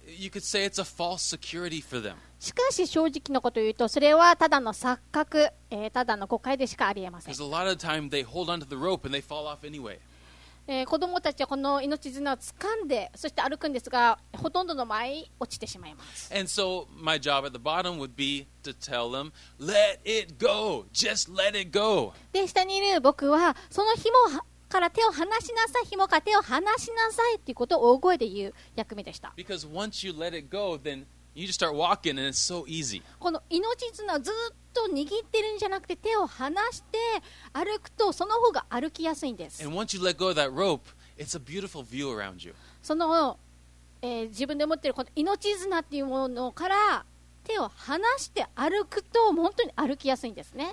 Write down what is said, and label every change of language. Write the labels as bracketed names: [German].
[English] You could say it's a false security for them. [Japanese] しかし正直のことを言うとそれはただの錯覚、ただの誤解でしかありえません [English] Because a lot of the time they hold onto the rope and they fall off anyway. [Japanese] 子供たちはこの命綱を掴んでそして歩くんですがほとんどの場合落ちてしまいます [English] And so my job at the bottom would beTo tell them, let it go. Just let it go. [Japanese] で下にいる僕はその紐をから手を離しなさい、紐から手を離しなさいっていうことを大声で言う役目でした。 [English] Because once you let it go, then you just start walking and it's so easy. [Japanese] この命綱ずっと握ってるんじゃなくて手を離して歩くとその方が歩きやすいんです。 [English] And once you let go of that rope, it's a beautiful view around you. [Japanese] その、自分で持ってるこの命綱っていうものから手を離して歩くと本当に歩きやすいんですね。